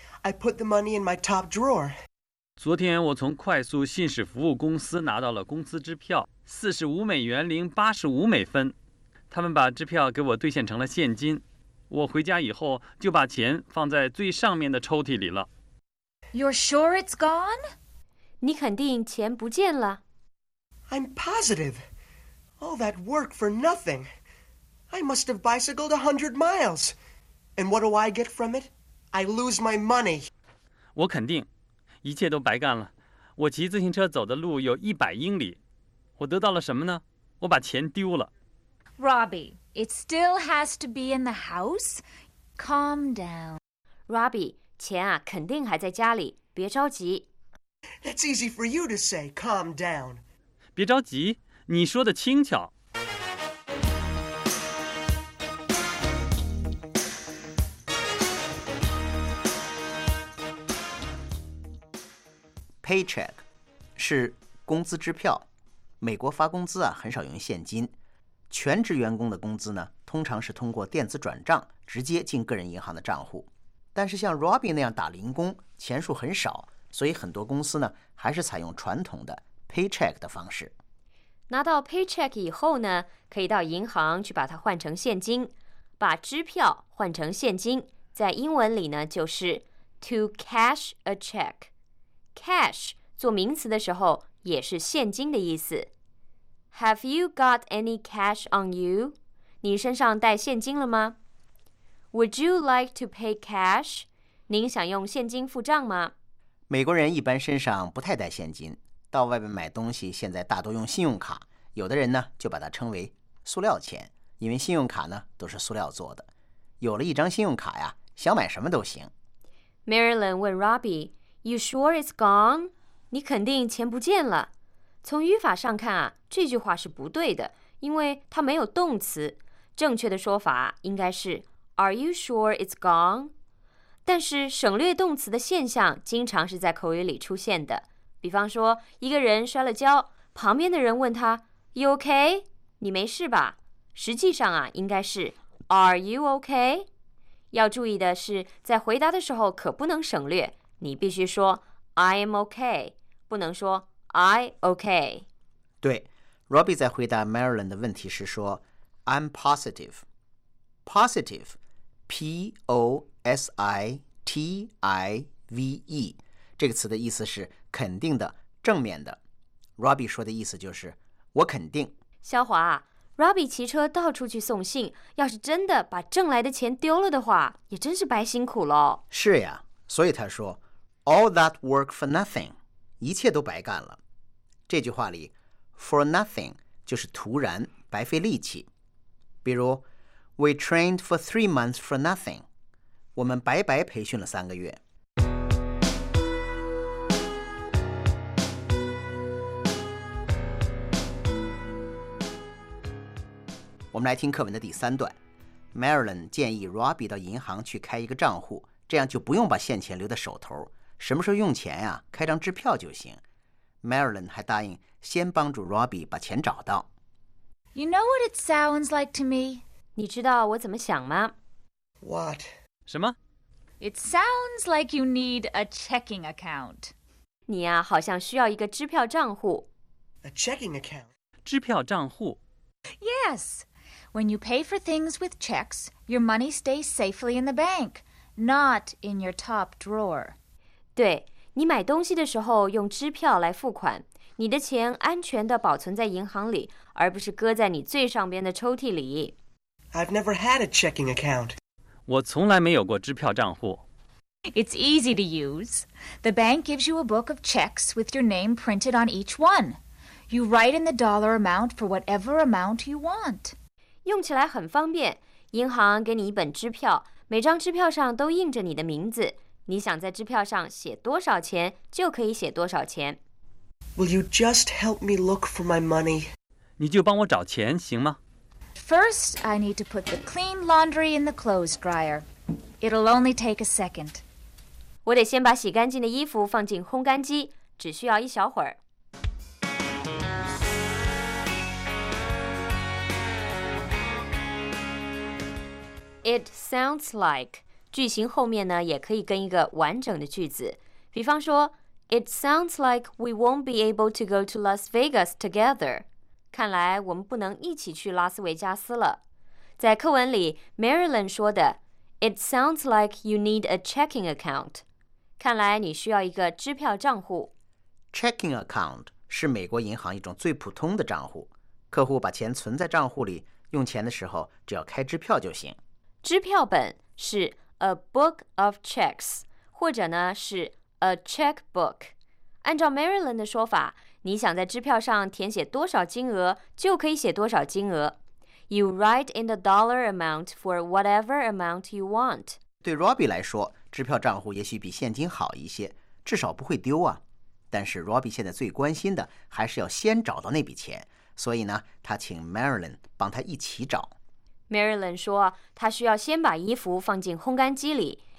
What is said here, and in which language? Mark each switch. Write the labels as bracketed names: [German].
[English] I put the money in my top drawer. [Chinese] 昨天我从快速信使服务公司拿到了工资支票，$45.85。他们把支票给我兑现成了现金。我回家以后就把钱放在最上面的抽屉里了。 [English] You're sure it's gone? [Chinese] 你肯定钱不见了。 [English] I'm positive. All that work for nothing. I must have bicycled 100 miles. And what do I get from it? I lose my money. [Chinese] 我肯定，一切都白干了。我骑自行车走的路有100英里。我得到了什么呢？我把钱丢了。 [English] Robbie, it still has to be in the house. Calm down. [Chinese] Robbie, 钱啊，肯定还在家里，别着急。 [English] That's easy for you to say, calm down. [Chinese] 别着急，你说的轻巧。 Paycheck 是工资支票，美国发工资啊很少用现金。全职员工的工资呢，通常是通过电子转账直接进个人银行的账户。但是像 Robbie 那样打零工，钱数很少，所以很多公司呢还是采用传统的 paycheck 的方式。拿到 paycheck 以后呢，可以到银行去把它换成现金，把支票换成现金，在英文里呢就是 [English] to cash a check。 [Chinese] Cash 做名词的时候也是现金的意思。 [English] Have you got any cash on you? [Chinese] 你身上带现金了吗？ [English] Would you like to pay cash? [Chinese] 您想用现金付账吗？美国人一般身上不太带现金，到外面买东西现在大多用信用卡，有的人呢就把它称为塑料钱，因为信用卡呢都是塑料做的。有了一张信用卡呀，想买什么都行。 [English] Marilyn [Chinese] 问 [English] Robbie,You sure it's gone? [Chinese] 你肯定钱不见了。从语法上看啊，这句话是不对的，因为它没有动词。正确的说法应该是 [English] Are you sure it's gone? [Chinese] 但是省略动词的现象经常是在口语里出现的。比方说，一个人摔了跤，旁边的人问他 [English] You okay? [Chinese] 你没事吧？实际上啊，应该是 [English] Are you okay? [Chinese] 要注意的是，在回答的时候可不能省略。你必须说 [English] I am okay, [Chinese] 不能说 [English] I okay. [Chinese] 对， Robbie 在回答 Marilyn 的问题时说 [English] I'm positive. [Chinese] Positive, P-O-S-I-T-I-V-E, 这个词的意思是肯定的，正面的。 Robbie 说的意思就是我肯定。肖华， Robbie 骑车到处去送信，要是真的把挣来的钱丢了的话，也真是白辛苦了。是呀，所以他说 [English] All that work for nothing, [Chinese] 一切都白干了。这句话里 ,for nothing 就是徒然白费力气。比如 [English] ,we trained for 3 months for nothing, [Chinese] 我们白白培训了3个月。我们来听课文的第三段。Marilyn 建议 Robbie 到银行去开一个账户，这样就不用把现钱留在手头。什么时候用钱呀、啊？开张支票就行。 Marilyn 还答应先帮助 Robbie 把钱找到。 [English] You know what it sounds like to me? [Chinese] 你知道我怎么想吗 [English] ？What? [Chinese] 什么 [English] ？It sounds like you need a checking account. [Chinese] 你呀、啊，好像需要一个支票账户。 [English] A checking account. [Chinese] 支票账户。 [English] Yes. When you pay for things with checks, your money stays safely in the bank, not in your top drawer. [Chinese] 对，你买东西的时候用支票来付款，你的钱安全地保存在银行里，而不是搁在你最上边的抽屉里。 [English] I've never had a checking account. [Chinese] 我从来没有过支票账户。 [English] It's easy to use. The bank gives you a book of checks with your name printed on each one. You write in the dollar amount for whatever amount you want. [Chinese] 用起来很方便，银行给你一本支票，每张支票上都印着你的名字。你想在支票上写多少钱就可以写多少钱。 [English] Will you just help me look for my money? [Chinese] 你就帮我找钱行吗？ [English] First, I need to put the clean laundry in the clothes dryer. It'll only take a second. [Chinese] 我得先把洗干净的衣服放进烘干机，只需要一小会儿。 [English] It sounds like [Chinese] 句型后面呢也可以跟一个完整的句子。比方说 [English] It sounds like we won't be able to go to Las Vegas together. [Chinese] 看来我们不能一起去拉斯维加斯了。在课文里 Marilyn 说的 [English] It sounds like you need a checking account. [Chinese] 看来你需要一个支票账户。 Checking account 是美国银行一种最普通的账户。客户把钱存在账户里用钱的时候只要开支票就行。支票本是 [English] a book of checks, [Chinese] 或者呢是 [English] a checkbook。 [Chinese] 按照 Marilyn 的说法，你想在支票上填写多少金额就可以写多少金额。 [English] You write in the dollar amount for whatever amount you want. [Chinese] 对 Robbie 来说，支票账户也许比现金好一些，至少不会丢啊。但是 Robbie 现在最关心的还是要先找到那笔钱，所以呢，他请 Marilyn 帮他一起找。 Marilyn 说他需要先把衣服放进烘干机里。